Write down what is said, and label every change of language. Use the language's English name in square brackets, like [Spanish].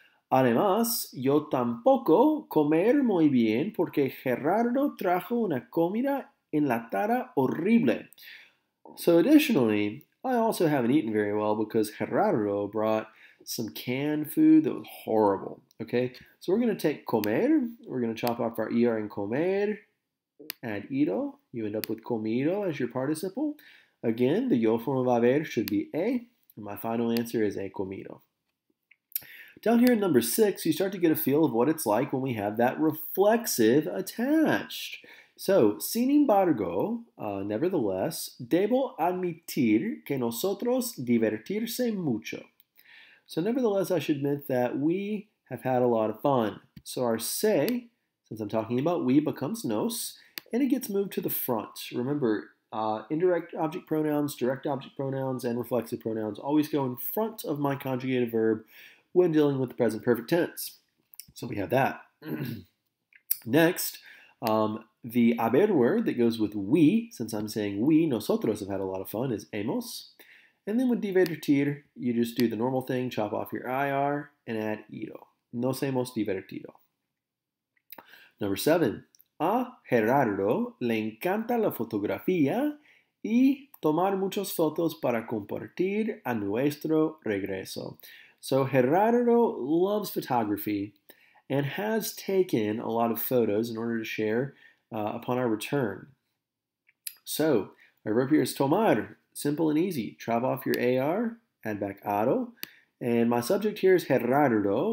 [Spanish] Además, yo tampoco comer muy bien porque Gerardo trajo una comida enlatada horrible. [English] So, additionally, I also haven't eaten very well because Gerardo brought some canned food that was horrible. Okay, so we're going to take comer. We're going to chop off our ER in comer. Add ido, you end up with comido as your participle. Again, the yo form of haber should be e. My final answer is [Spanish] he comido. [English] Down here in number 6, you start to get a feel of what it's like when we have that reflexive attached. [Spanish] So, sin embargo, nevertheless, debo admitir que nosotros divertirse mucho. [English] So, nevertheless, I should admit that we have had a lot of fun. So, our se, since I'm talking about we, becomes nos. And it gets moved to the front. Remember, indirect object pronouns, direct object pronouns, and reflexive pronouns always go in front of my conjugated verb when dealing with the present perfect tense. So we have that. Next, the haber word that goes with we, since I'm saying we, nosotros have had a lot of fun, is hemos. And then with divertir, you just do the normal thing, chop off your IR and add ido. [Spanish] Nos hemos divertido. [English] Number 7. [Spanish] A Gerardo le encanta la fotografía y tomar muchas fotos para compartir a nuestro regreso. [English] So Gerardo loves photography and has taken a lot of photos in order to share upon our return. So our verb here is tomar, simple and easy. Chop off your AR, add back ado. And my subject here is Gerardo.